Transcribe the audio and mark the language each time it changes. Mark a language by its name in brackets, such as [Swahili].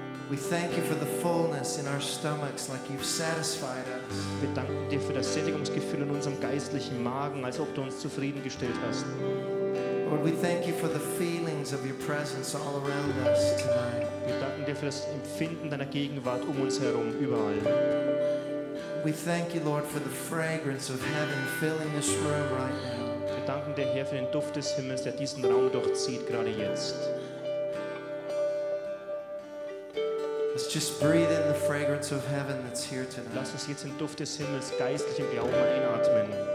[English] We thank you for the fullness in our stomachs, like you've satisfied us. [German] Wir danken dir für das Sättigungsgefühl in unserem geistlichen Magen, als ob du uns zufriedengestellt hast. [English] Lord, we thank you for the feelings of your presence all around us tonight. [German] Wir danken dir für das Empfinden deiner Gegenwart um uns herum, überall. [English] We thank you, Lord, for the fragrance of heaven filling this room right now. [German] Wir danken dir, Herr, für den Duft des Himmels, der diesen Raum durchzieht, gerade jetzt. [English] Let's just breathe in the fragrance of heaven that's here tonight. [German] Lass uns jetzt den Duft des Himmels geistlichen Glauben einatmen.